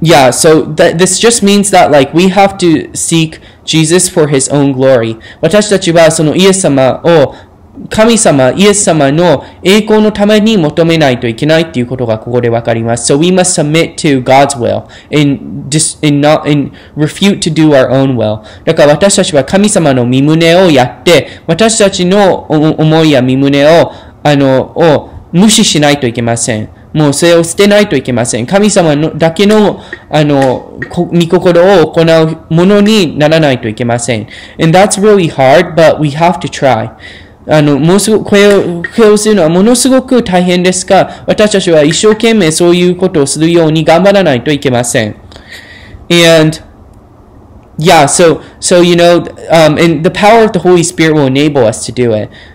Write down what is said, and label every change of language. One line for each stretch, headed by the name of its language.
English: So this just means that like we have to seek Jesus for his own glory.
Japanese: 私たちはそのイエス様を神様、イエス様の栄光のために求めないといけないっていうことがここでわかります。
English: So we must submit to God's will and refute to do our own will.
Japanese: だから私たちは神様の御旨をやって、私たちの思いや御旨を無視しないといけません。もうそれを捨てないといけません。神様のだけの御心を行うものにならないといけません。
English: And that's really hard, but we have to try.
Japanese: これをするのはものすごく大変ですが、私たちは一生懸命そういうことをするように頑張らないといけません。
English: And yeah, so you know, and the power of the Holy Spirit will enable us to do it.